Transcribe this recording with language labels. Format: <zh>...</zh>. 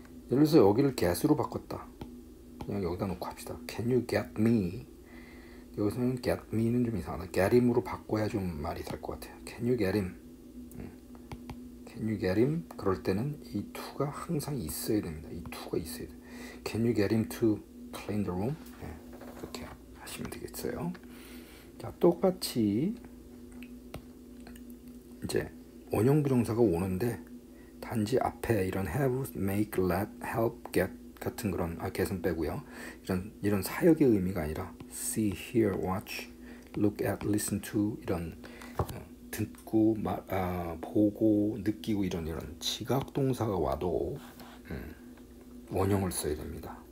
<ko>예를 들어서 여기를 get으로 바꿨다. 그냥 여기다 놓고 합시다.</ko> <en>Can you get me?</en> <ko>여기서는 get me는 좀 이상하다.</ko> <en>get him으로</en> <ko>바꿔야 좀 말이 될 것 같아요.</ko> <en>Can you get him? Can you get him?</en> <ko>그럴 때는 이 to가 항상 있어야 됩니다. 이 to가 있어야 돼.</ko> <en>Can you get him to clean the room?</en> <ko>네, 이렇게 하시면 되겠어요. 자, 똑같이 이제 원형 부정사가 오는데 단지 앞에 이런 have, make, let, help, get 같은 그런 아 개선 빼고요 이런 사역의 의미가 아니라 see, hear, watch, look at, listen to 이런 듣고 말 아, 보고 느끼고 이런 지각 동사가 와도 원형을 써야 됩니다.</ko>